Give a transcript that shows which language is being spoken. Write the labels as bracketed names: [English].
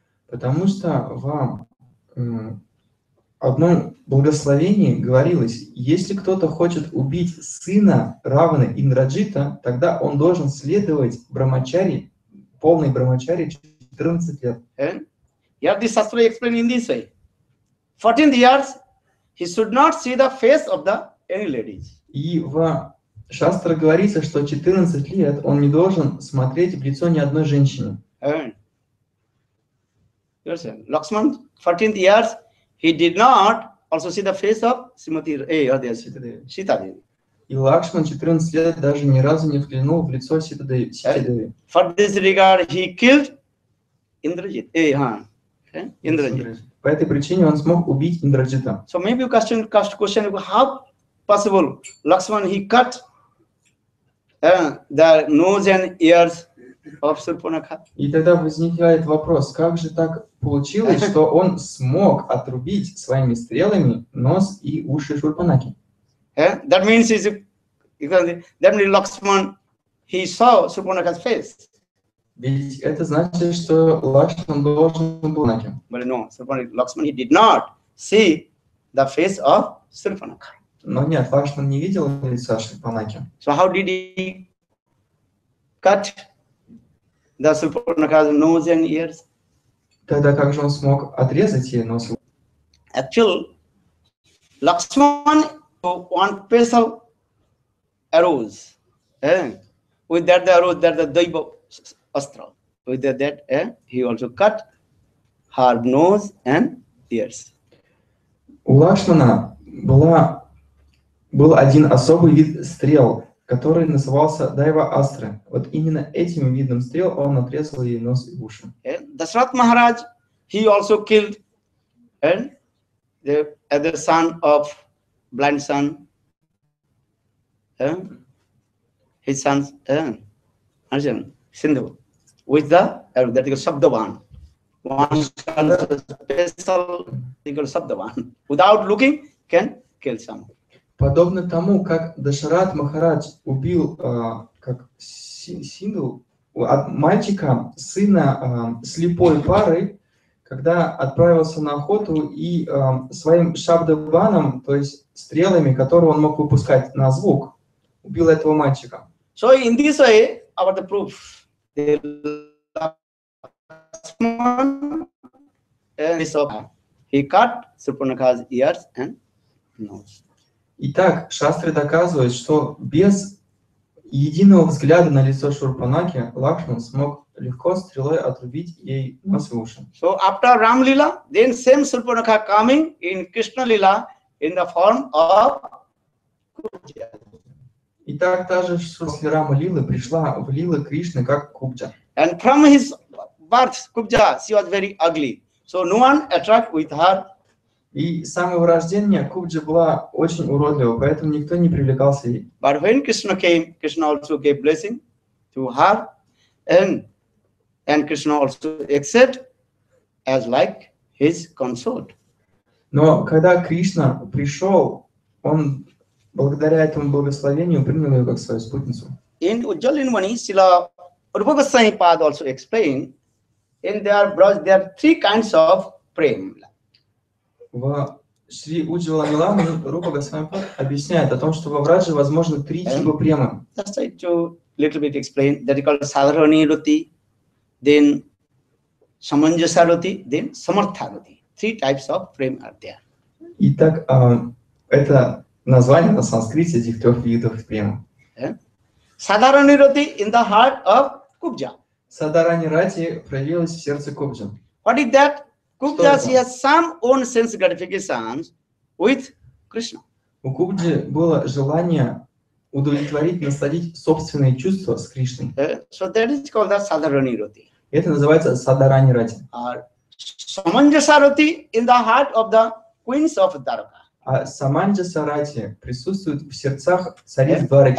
[Russian] Потому что вам одно благословение говорилось, если кто-то хочет убить сына Равана Индраджита, тогда он должен следовать брахмачари, полной брахмачари 14 лет. [English] Here the Shastra explained in this way. 14 years, he should not see the face of the any ladies. [Russian] И в Шастра говорится, что 14 лет он не должен смотреть в лицо ни одной женщины. [English] Lakshman, 14 years, he did not also see the face of Simati, Sitadevi. [Russian] И Лакшман 14 лет даже ни разу не взглянул в лицо Ситадеви. [English] For this regard, he killed Indrajit. Indrajit. [Russian] По этой причине он смог убить Индраджита. [English] So maybe you question, how possible Lakshman he cut the nose and ears of Shurpanakha? [Russian] И тогда возникает вопрос, как же так получилось, что он смог отрубить своими стрелами нос и уши Шурпанаки? [English] That means is definitely Lakshman he saw Shurpanakha's face. [Russian] Ведь это значит, что Лакшман должен был найти. [English] But no, Lakshman he did not see the face of Shurpanakha. [Russian] Но нет, Лакшман не видел лица Шурпанаки. [English] So how did he cut the Shurpanakha's nose and ears? [Russian] Тогда как же он смог отрезать ей нос? [English] Actually, Lakshman one special arrows, with that the arrow that the daiva astra. With that, he also cut her nose and ears. [Russian] У Лакшмана был один особый вид стрел, который назывался Дайва Астры. Вот именно этим видом стрел он отрезал ей нос и уши. [English] Дашрат Махарад, he also killed the son of blind son. His son, Arjun, Sindhu. With the arrow, that is Sabdavan. One special thing called Sabdavan. Without looking, can kill someone. [Russian] Подобно тому, как Дашарат Махарадж убил как Синдху, мальчика, сына слепой пары, когда отправился на охоту и своим шабдабаном, то есть стрелами, которые он мог выпускать на звук, убил этого мальчика. [English] So in this way, about the proof, the last one, he cut Shurpanakha's ears and nose. [Russian] Итак, шастры доказывают, что без единого взгляда на лицо Шурпанаки Лакшман смог легко стрелой отрубить ей нос и уши. [English] So after Ram Lila, then same Shurpanakha coming in Krishna Lila in the form of Kubja. [Russian] Итак, та же Шурпанакха Рама Лилы пришла в Лилы Кришны как Кубджа. [English] And from his birth, Kubja, she was very ugly. So no one attract with her. [Russian] И с самого рождения Кубджа была очень уродлива, поэтому никто не привлекался ей. [English] But when Krishna came, Krishna also gave blessing to her, and Krishna also accept as like his consort. [Russian] Но когда Кришна пришел, он благодаря этому благословению принял ее как свою спутницу. [English] In Ujjalinvani, Srila Rupa Goswami Pad also explained, in their brush, there are three kinds of prem. [Russian] В Шри Уджвала Милама Рупа Госвами Пад объясняет о том, что во Враже возможно три типа премы. [English] Just like to little bit explain, that is called Sadharani Ruti, then Samanjasa Ruti, then Samartha Ruti. Three types of prem are there. [Russian] Итак, это название на санскрите этих трех видов премы. [English] Sadharani Ruti in the heart of Kubja. [Russian] Sadharani Rati проявилась в сердце Кубджа. [English] What is that? Kukdas has some own sense gratifications with Krishna. [Russian] У Кубджи было желание удовлетворить, насладить собственные чувства с Кришной. [English] So that is called the sadharani roti. [Russian] Это называется садарани рати. [English] Саманджаса рати in the heart of the queens of Дарака. [Russian] А саманджаса рати присутствует в сердцах цариц Двараки.